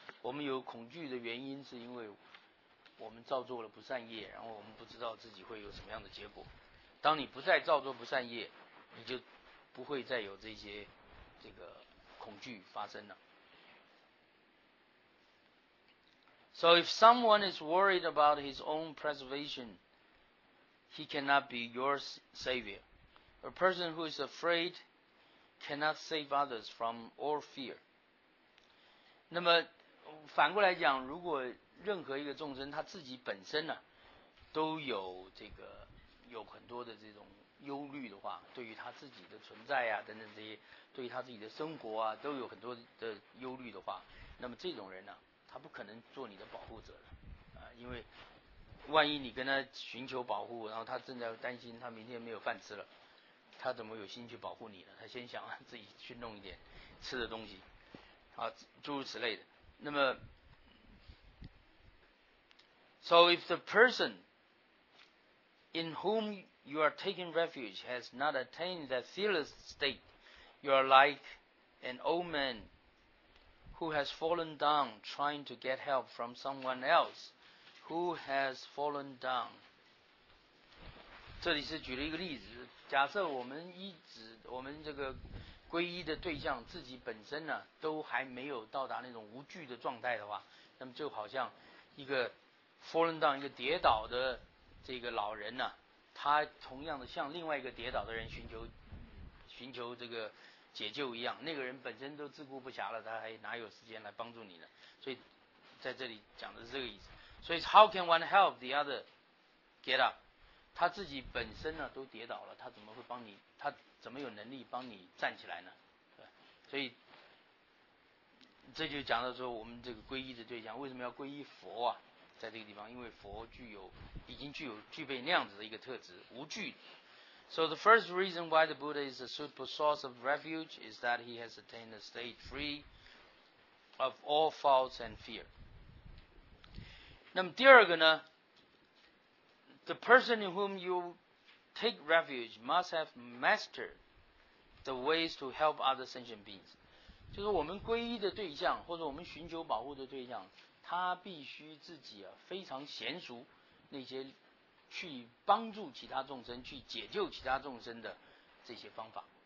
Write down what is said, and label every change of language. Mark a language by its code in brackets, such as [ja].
[zh] 我们有恐惧的原因是因为我们造作了不善业，然后我们不知道自己会有什么样的结果。当你不再造作不善业，你就不会再有这些这个恐惧发生了。 [en] So if someone is worried about his own preservation, he cannot be your savior. A person who is afraid cannot save others from all fear. [zh] 那么反过来讲，如果任何一个众生他自己本身呢、啊，都有这个有很多的这种忧虑的话，对于他自己的存在啊等等这些，对于他自己的生活啊都有很多的忧虑的话，那么这种人呢、啊？他不可能做你的保护者了，因为万一你跟他寻求保护，然后他正在担心他明天没有饭吃了，他怎么有心去保护你呢？他先想自己去弄一点吃的东西啊，诸如此类的。 [en] 那么 So if the person in whom you are taking refuge has not attained that fearless state, you are like an old manwho has fallen down trying to get help from someone else who has fallen down. [zh] 这里是举了一个例子，假设我们这个皈依的对象自己本身呢都还没有到达那种无惧的状态的话，那么就好像一个 fallen down 一个跌倒的这个老人呢、啊、他同样的向另外一个跌倒的人寻求这个解救一样，那个人本身都自顾不暇了，他还哪有时间来帮助你呢？所以在这里讲的是这个意思。 [en] 所以 how can one help the other get up? [zh] 他自己本身呢都跌倒了，他怎么会帮你，他怎么有能力帮你站起来呢？所以这就讲到说我们这个皈依的对象为什么要皈依佛啊，在这个地方，因为佛具有已经具有具备那样子的一个特质，无惧。 [en] So the first reason why the Buddha is a suitable source of refuge is that he has attained a state free of all faults and fear. 那么第二个呢， the person in whom you take refuge must have mastered the ways to help other sentient beings. [zh] 就是我们皈依的对象或者我们寻求保护的对象，他必须自己啊非常娴熟那些去帮助其他众生、去解救其他众生的这些方法。